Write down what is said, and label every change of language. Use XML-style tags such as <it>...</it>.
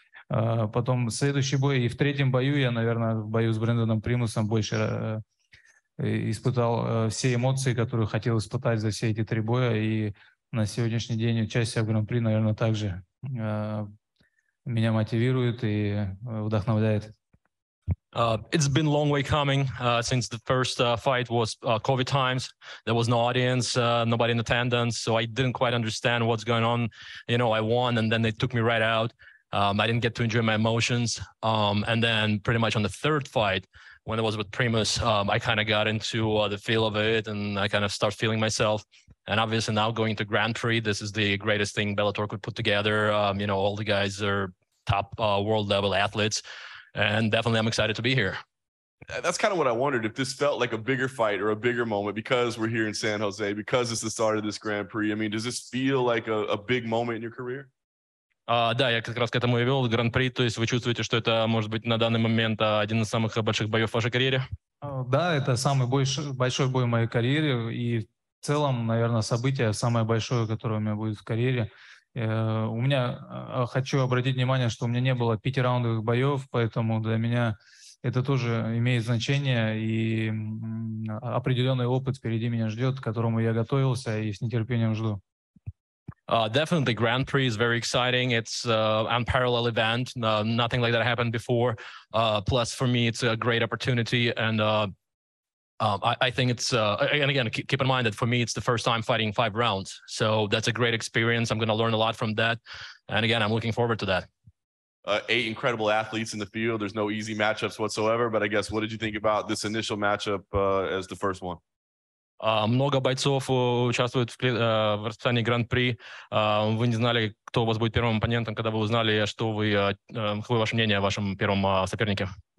<ru>Потом следующий бой, и в третьем бою, я, наверное, в бою с Брэндоном Примусом больше испытал все эмоции, которые хотел испытать за все эти 3 боя. И на сегодняшний день участие в гран-при, наверное, также меня мотивирует и вдохновляет.</ru> <en>It's been a long way coming since the first fight was COVID times. There was no audience, nobody in attendance, so I didn't quite understand what's going on. You know, I won and then they took me right out. I didn't get to enjoy my emotions. And then pretty much on the third fight, when it was with Primus, I kind of got into the feel of it and I kind of start feeling myself. And obviously now going to Grand Prix, this is the greatest thing Bellator could put together. You know, all the guys are top world level athletes. And definitely, I'm excited to be here. That's kind of what I wondered, if this felt like a bigger fight or a bigger moment because we're here in San Jose, because it's the start of this Grand Prix. I mean, does this feel like a big moment in your career?</en> <ru>Да, я как раз к этому и вел, Гран-при. То есть вы чувствуете, что это может быть на данный момент один из самых больших боев в вашей карьере? Да, это самый большой бой в моей карьере. И в целом, наверное, событие самое большое, которое у меня будет в карьере. У меня, хочу обратить внимание, что у меня не было 5 раундовых боев, поэтому для меня это тоже имеет значение, и определенный опыт впереди меня ждет, к которому я готовился и с нетерпением жду.</ru> <en>Definitely, Grand Prix is very exciting. It's an unparalleled event. Nothing like that happened before. Plus, for me, it's a great opportunity. And I think it's, and again, keep in mind that for me, it's the first time fighting 5 rounds. So that's a great experience. I'm going to learn a lot from that. And again, I'm looking forward to that. 8 incredible athletes in the field. There's no easy matchups whatsoever. But I guess, what did you think about this initial matchup as the first one?</en> <ru>Много бойцов участвует в расписании Гран-при. Вы не знали, кто у вас будет первым оппонентом, когда вы узнали, что вы, какое ваше мнение о вашем первом сопернике?</ru>